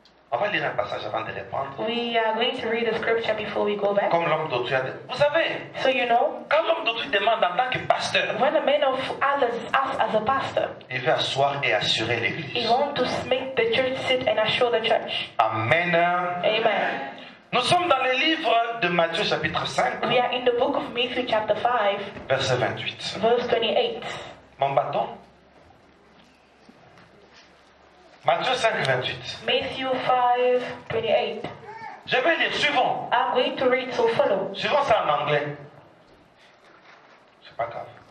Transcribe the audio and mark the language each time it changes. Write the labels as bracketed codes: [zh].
[fr] On va lire un passage avant de répondre. [en] We are going to read the scripture before we go back. [fr] Comme l'homme d'autrui a dit. Vous savez. [en] So you know. [fr] Quand l'homme d'autrui demande en tant que pasteur. [en] When a man of others asks as a pastor. [fr] Il veut asseoir et assurer l'église. [en] He wants to make the church sit and assure the church. Amen. Amen. [fr] Nous sommes dans le livre de Matthieu chapitre 5. [en] We are in the book of Matthew chapter 5. [fr] Verset 28. [en] Verse 28. [fr] Mon bâton. Matthieu 5, 28. [en] Matthew 5, 28. [fr] Je vais lire, suivant. [en] I'm going to read, so follow. [fr] Suivant, c'est en anglais. C'est pas grave.